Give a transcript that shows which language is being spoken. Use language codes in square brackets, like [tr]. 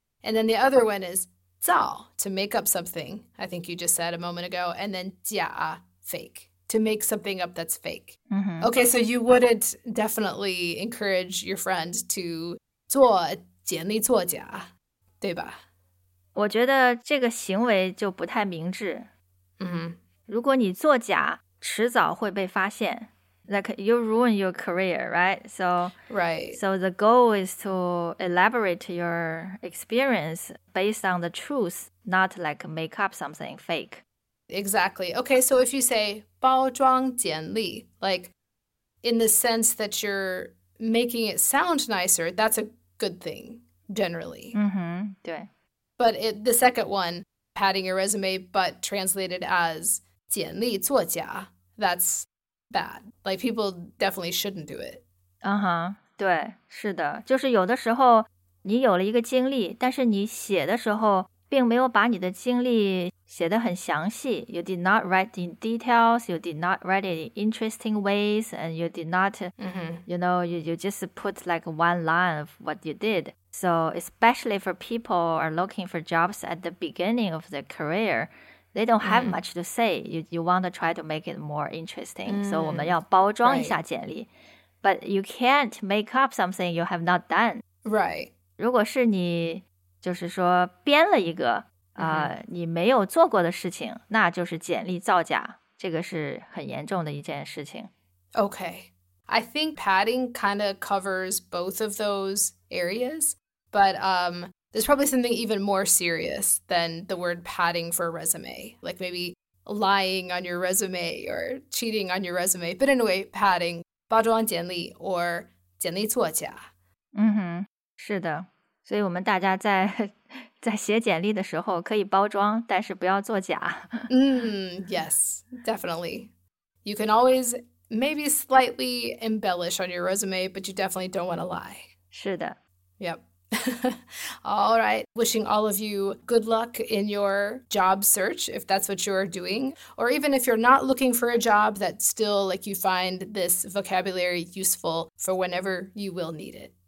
[en] And then the other one is 造 to make up something, I think you just said a moment ago, and then 假 fake. To make something up that's fake. Okay, so you wouldn't definitely encourage your friend to [zh] 做简历作假，对吧？我觉得这个行为就不太明智。 Mm-hmm. 如果你作假，迟早会被发现。 [en] Like, you ruin your career, right? So, right. So the goal is to elaborate your experience based on the truth, not like make up something fake. Exactly. Okay, so if you say 包装简历, like in the sense that you're making it sound nicer, that's a good thing, generally. [zh] 对。 [en] But the second one, padding your resume, but translated as 简历作假, that's bad. Like people definitely shouldn't do it. [zh] 对，是的。就是有的时候你有了一个经历，但是你写的时候并没有把你的经历写得很详细。 [en] You did not write in details, you did not write it in interesting ways, and you did not, you know, you just put like one line of what you did. So especially for people who are looking for jobs at the beginning of their career, they don't have much to say. You want to try to make it more interesting. [zh] So 我们要包装一下简历。 [en] But you can't make up something you have not done. Right. [zh] 如果是你就是说编了一个你没有做过的事情，那就是简历造假，这个是很严重的一件事情。 [en] Okay, I think padding kind of covers both of those areas, but there's probably something even more serious than the word padding for a resume, like maybe lying on your resume or cheating on your resume, but anyway, padding, 包装简历 or 简历作假。 [zh] 是的。所以我们大家在写简历的时候可以包装，但是不要作假。 [en] Yes, definitely. You can always maybe slightly embellish on your resume, but you definitely don't want to lie. [zh] 是的。 [en] Yep. All right. Wishing all of you good luck in your job search, if that's what you're doing. Or even if you're not looking for a job, that still like you find this vocabulary useful for whenever you will need it.